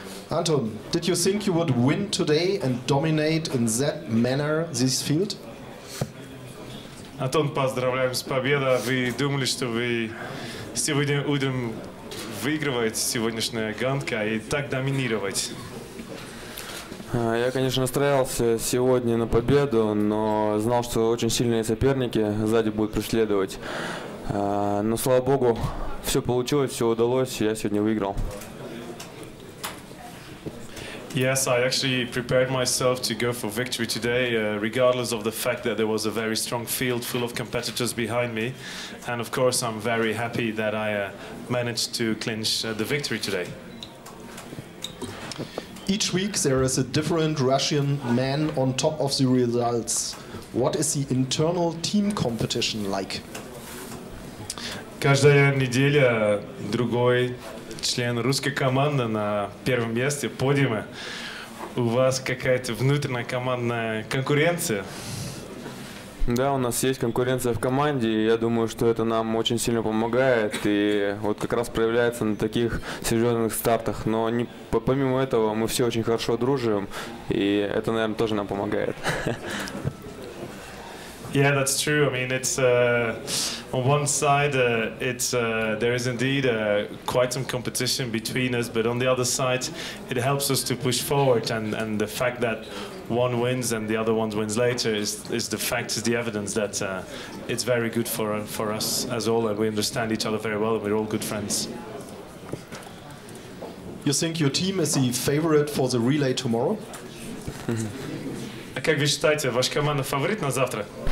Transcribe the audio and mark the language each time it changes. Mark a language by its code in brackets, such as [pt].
[en] Anton, did you think you would win today and dominate in that manner this field? [ru] Антон, поздравляем с победой. Вы думали, что вы сегодня будем выигрывать сегодняшнюю гонку и так доминировать? Я, конечно, настраивался сегодня на победу, но знал, что очень сильные соперники сзади будут преследовать. Но, слава богу, все получилось, все удалось, и я сегодня выиграл. [en] Yes, I actually prepared myself to go for victory today, regardless of the fact that there was a very strong field full of competitors behind me. And of course, I'm very happy that I managed to clinch the victory today. Each week there is a different Russian man on top of the results. What is the internal team competition like? [ru] Каждая неделя другой член русской команды на первом месте, подиуме. У вас какая-то внутренняя командная конкуренция? Да, у нас есть конкуренция в команде, и я думаю, что это нам очень сильно помогает, и вот как раз проявляется на таких серьезных стартах. Но не, помимо этого, мы все очень хорошо дружим, и это, наверное, тоже нам помогает. [en] Yeah, that's true. I mean, it's on one side, there is indeed quite some competition between us, but on the other side, it helps us to push forward. And the fact that one wins and the other one wins later is the fact, is the evidence that it's very good for us as all, and we understand each other very well, and we're all good friends. You think your team is the favorite for the relay tomorrow? [ru] Как вы считаете, ваша команда фаворит на завтра?